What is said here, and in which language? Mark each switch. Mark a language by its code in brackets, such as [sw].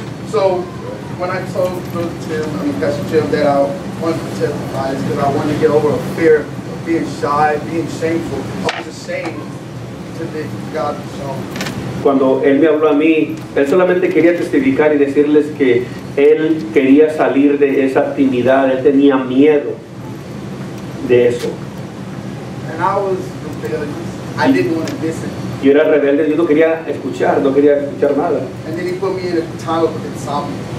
[en] So, when I told Pastor Tim that I wanted to testify, it's because I wanted to get over a fear of being shy, being shameful. I was ashamed to think God himself. [es] Cuando él me habló a mí, él solamente quería testificar y decirles que él quería salir de esa timidez. Él tenía miedo de eso. [en] And I was rebellious. I didn't want to listen. [es] Yo era rebelde, yo no quería escuchar nada. [en] And then he put me in a time of insomnia.